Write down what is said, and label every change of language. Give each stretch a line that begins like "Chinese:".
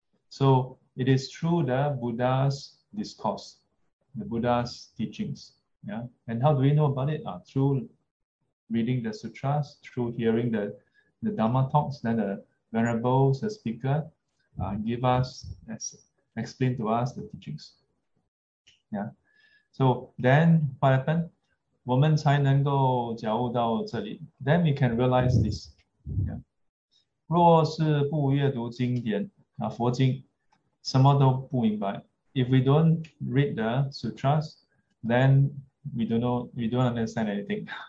English: So it is through the Buddha's discourse, the Buddha's teachings, yeah. And how do we know about it? Through reading the sutras, through hearing the Dharma talks, then the venerable the speaker give us explain to us the teachings, yeah. So then what happened?
Chinese: 我们才能够觉悟到这里.
English: Then we can realize this. Yeah.
Chinese: 若是不阅读经典, 佛经, 什么都不明白.
English: If we don't read the sutras, then we don't know, we don't understand anything.